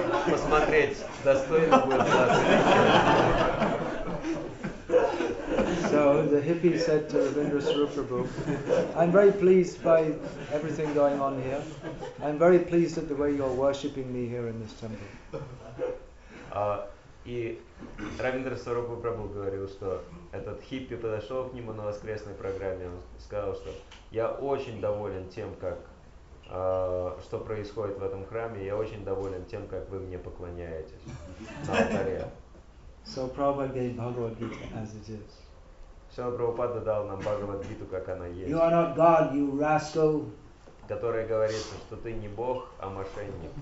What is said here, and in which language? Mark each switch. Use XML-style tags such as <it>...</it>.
<ru>Посмотреть, достойно будет класс.</ru> <en>So the hippie said to Ravindra Swarup Prabhu, I'm very pleased by everything going on here. I'm very pleased at the way you're worshipping me here in this temple.</en> <ru>И Равиндра Сваруп Прабху говорил, что этот хиппи подошел к нему на воскресной программе, он сказал, что я очень доволен тем, как что происходит в этом храме, я очень доволен тем, как вы мне поклоняетесь на алтаре.</ru> <en>So Prabhupada gave Bhagavad Gita as it is.</en> <ru>Шрила Прабхупада дал нам Бхагавад-гиту, как она есть.</ru> <en>You are not God, you rascal.</en> <ru>Которая говорит, что ты не бог, а мошенник.</ru>